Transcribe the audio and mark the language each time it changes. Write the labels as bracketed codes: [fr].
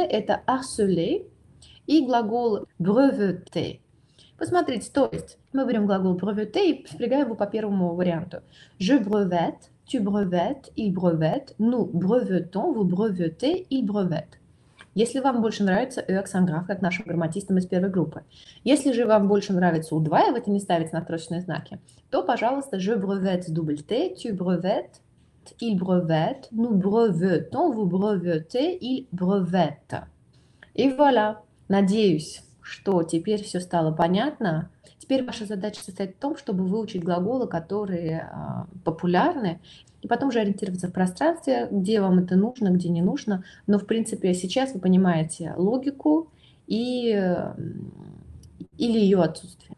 [ru] Это harceler и глагол breveter. Посмотрите, то есть мы берем глагол breveter и спрягаем его по первому варианту. [fr] Je brevette, tu brevettes, il brevette, nous brevetons, vous brevetez, il brevette. [ru] Если вам больше нравится ø аксонграф, как нашим грамматистам из первой группы. Если же вам больше нравится удваивать и не ставить надстрочные знаки, то, пожалуйста, [fr] je brevette double t, tu brevette, il brevette, nous brevetons, vous brevetez, il brevette. [ru] И voilà. Надеюсь, что теперь все стало понятно. Теперь ваша задача состоит в том, чтобы выучить глаголы, которые популярны, и потом же ориентироваться в пространстве, где вам это нужно, где не нужно. Но, в принципе, сейчас вы понимаете логику и или ее отсутствие.